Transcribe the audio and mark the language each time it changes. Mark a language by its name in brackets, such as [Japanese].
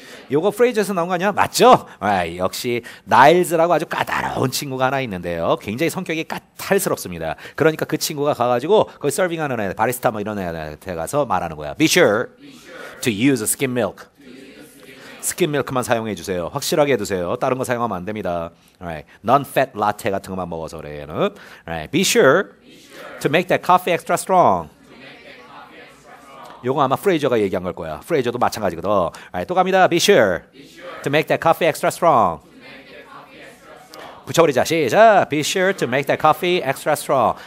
[Korean] 요거 프레이즈에서 나온 거 아니야? 맞죠? 아, 역시 나일즈라고 아주 까다로운 친구가 하나 있는데요. 굉장히 성격이 까탈스럽습니다. 그러니까 그 친구가 가가지고 거기 서빙하는 애, 바리스타 뭐 이런 애한테 가서 말하는 거야. [English] Be sure to use skim milk. Skim milk만 [Korean] 사용해 주세요. 확실하게 해두세요. 다른 거 사용하면 안 됩니다. Right. Non-fat latte 같은 것만 먹어서 그래. 얘는. Right. [English] Be sure to make that coffee extra strong. [Korean] 요거 아마 프레이저가 얘기한 걸 거야. 프레이저도 마찬가지거든. 아이, 또 갑니다. [English] Be sure to make that coffee extra strong. [Korean] 붙여버리자. 시작. [English] Be sure to make that coffee extra strong.